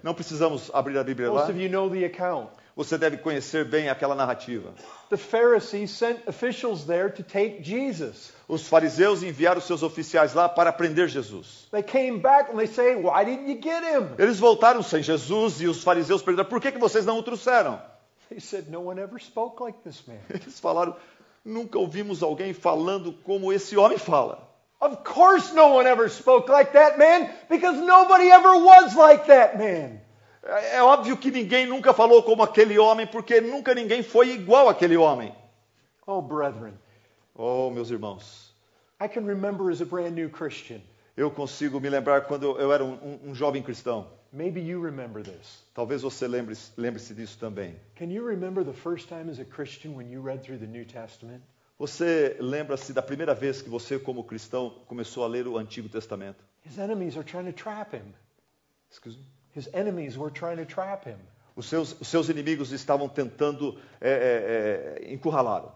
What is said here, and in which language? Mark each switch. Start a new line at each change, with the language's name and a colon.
Portuguese: Não precisamos abrir a Bíblia lá.
English: Most of you know the account.
Portuguese: Você deve conhecer bem aquela narrativa.
English: The Pharisees sent officials there to take Jesus.
Portuguese: Os fariseus enviaram seus oficiais lá para prender Jesus.
English: They came back and they say, "Why didn't you get him?"
Portuguese: Eles voltaram sem Jesus e os fariseus perguntaram, "Por que que vocês não o trouxeram?"
English: They said, "No one ever spoke like this man."
Portuguese: Eles falaram, "Nunca ouvimos alguém falando como esse homem fala."
English: Of course no one ever spoke like that man, because nobody ever was like that man.
Portuguese: É óbvio que ninguém nunca falou como aquele homem, porque nunca ninguém foi igual àquele homem.
English: Oh, brethren.
Portuguese: Oh, meus irmãos.
English: I can remember as a brand new Christian.
Portuguese: Eu consigo me lembrar quando eu era um jovem cristão.
English: Maybe you remember this.
Portuguese: Talvez você lembre-se disso também.
English: Can you remember the first time as a Christian when you read through the New Testament?
Portuguese: Você lembra-se da primeira vez que você, como cristão, começou a ler o Antigo Testamento?
English: His enemies are trying to trap him. Excuse me? His enemies were trying to trap him.
Portuguese: Os seus inimigos estavam tentando encurralá-lo.